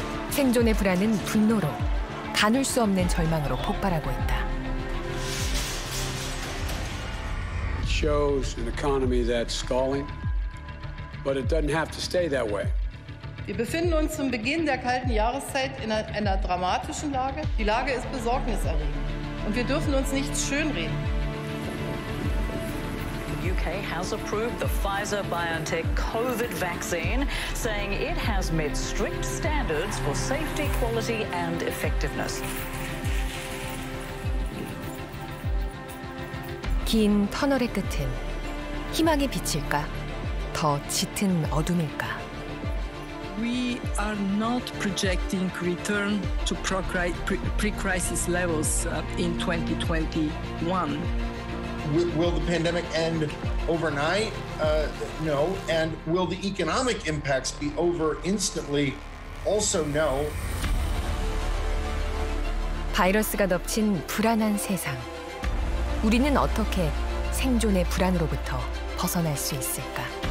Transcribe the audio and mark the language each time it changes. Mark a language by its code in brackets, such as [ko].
[ko] 생존의 불안은 분노로, 가눌 수 없는 절망으로 폭발하고 있다. [en] It shows an economy that's stalling, but it doesn't have to stay that way. [de] Wir befinden uns zum Beginn der kalten Jahreszeit in einer dramatischen Lage. Die Lage ist besorgniserregend. Und wir dürfen uns nichts schönreden. [en] The UK has approved the Pfizer-BioNTech COVID vaccine, saying it has met strict standards for safety, quality and effectiveness. [ko] 긴 터널의 끝은 희망이 비칠까? 더 짙은 어둠일까? [en] We are not projecting return to pre-crisis levels in 2021. Will the pandemic end overnight? No. And will the economic impacts be over instantly? Also no. [ko] 바이러스가 덮친 불안한 세상. 우리는 어떻게 생존의 불안으로부터 벗어날 수 있을까?